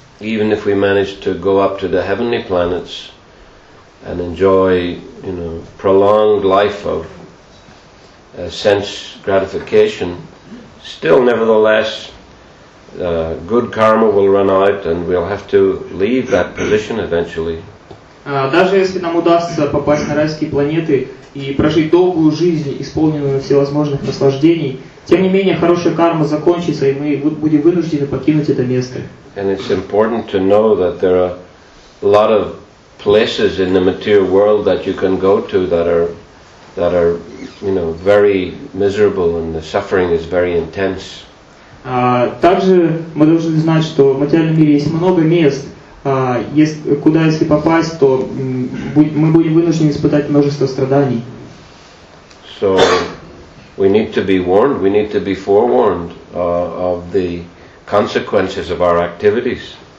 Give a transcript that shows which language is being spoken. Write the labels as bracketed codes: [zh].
[en] Even if we manage to go up to the heavenly planets and enjoy, you know, prolonged life of sense gratification, still, nevertheless, good karma will run out and we'll have to leave that position eventually. [ru] Даже если нам удастся попасть на райские планеты и прожить долгую жизнь, исполненную всевозможных наслаждений, тем не менее хорошая карма закончится, и мы будем вынуждены покинуть это место. [en] And it's important to know that there are a lot of places in the material world that you can go to that are you know, very miserable and the suffering is very intense. [ru] Также мы должны знать, что в материальном мире есть много мест, куда если попасть, то мы будем вынуждены испытать множество страданий. [en] So we need to be warned, we need to be forewarned of the consequences of our activities.